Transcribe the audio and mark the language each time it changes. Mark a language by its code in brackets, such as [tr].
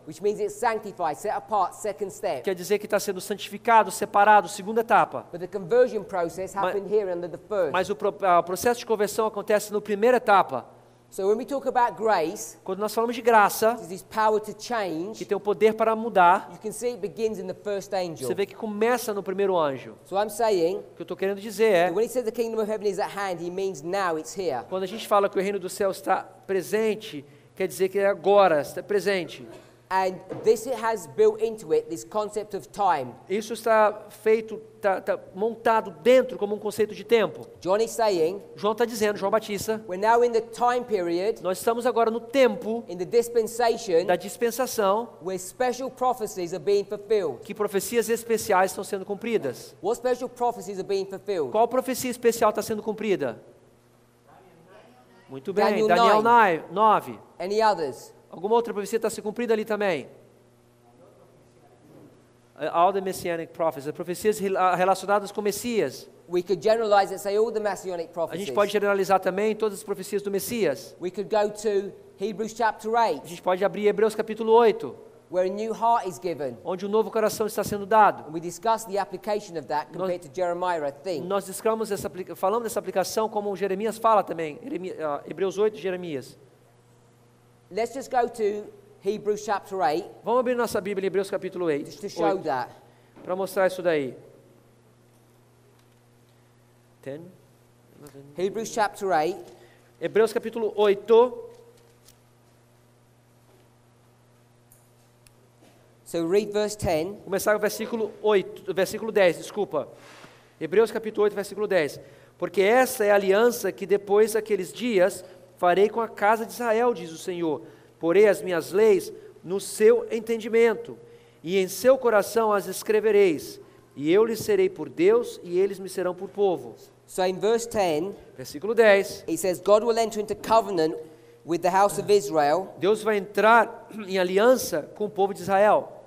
[en] Which means it's sanctified, set apart, second step. [pt] Quer dizer que está sendo santificado, separado, segunda etapa. [en] But the conversion process happened here under the first. [pt] Mas o processo de conversão acontece na primeira etapa. [en] So when we talk about grace, [pt] quando nós falamos de graça, [en] this power to change, [pt] que tem o poder para mudar, [en] you can see it begins in the first angel. [pt] Você vê que começa no primeiro anjo. [en] So I'm saying, [pt] o que eu estou querendo dizer é, [en] when he says the kingdom of heaven is at hand, he means now it's here. [pt] Quando a gente fala que o reino do céu está presente, quer dizer que é agora, está presente. [en] And this has built into it, this concept of time. [pt] Isso está feito, está montado dentro como um conceito de tempo. [en] John is saying, [pt] João está dizendo, João Batista, [en] we're now in the time period, [pt] nós estamos agora no tempo [en] in the dispensation, [pt] da dispensação [en] where special prophecies are being fulfilled. [pt] Que profecias especiais estão sendo cumpridas. [en] What special prophecies are being fulfilled? [pt] Qual profecia especial está sendo cumprida? Muito bem, Daniel 9. [en] Any others? [pt] Alguma outra profecia está se cumprindo ali também? [en] All the messianic prophecies, [pt] as profecias relacionadas com Messias. [en] We could generalize and say all the messianic prophecies. [pt] A gente pode generalizar também todas as profecias do Messias. [en] We could go to Hebrews chapter 8. [pt] A gente pode abrir Hebreus capítulo 8. [en] Where a new heart is given. [pt] Onde um novo coração está sendo dado. [en] And we discuss the application of that compared to Jeremiah, I think. [pt] Nós discutimos essa falamos dessa aplicação como Jeremias fala também, Hebreus 8, Jeremias. [en] Let's just go to Hebrews chapter 8. [pt] Vamos abrir nossa Bíblia em Hebreus capítulo 8. [en] Just to show 8, that. [pt] Para mostrar isso daí. [en] 10, 11. Hebrews chapter 8. [pt] Hebreus capítulo 8. [en] So read verse 10. [pt] Começar com versículo 10. Hebreus capítulo 8, versículo 10. Porque essa é a aliança que depois daqueles dias farei com a casa de Israel, diz o Senhor. Porei as minhas leis no seu entendimento, e em seu coração as escrevereis, e eu lhes serei por Deus, e eles me serão por povo. [en] So in verse 10, [pt] versículo 10, [en] it says, God will enter into covenant with the house of Israel. [pt] Deus vai entrar em aliança com o povo de Israel.